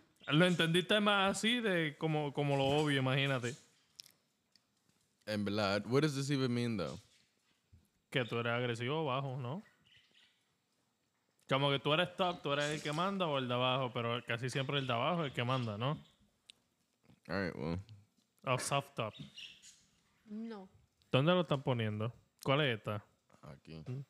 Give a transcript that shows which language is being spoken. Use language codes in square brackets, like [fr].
[es] Lo entendiste más así de como lo obvio, imagínate. En verdad, [en] what does this even mean, though? [es] Que tú eres agresivo o bajo, ¿no? Como que tú eres top, tú eres el que manda o el de abajo, pero casi siempre el de abajo es el que manda, ¿no? [en] All right, well. Oh, soft top. No. [es] ¿Dónde lo están poniendo? ¿Cuál es esta? Aquí.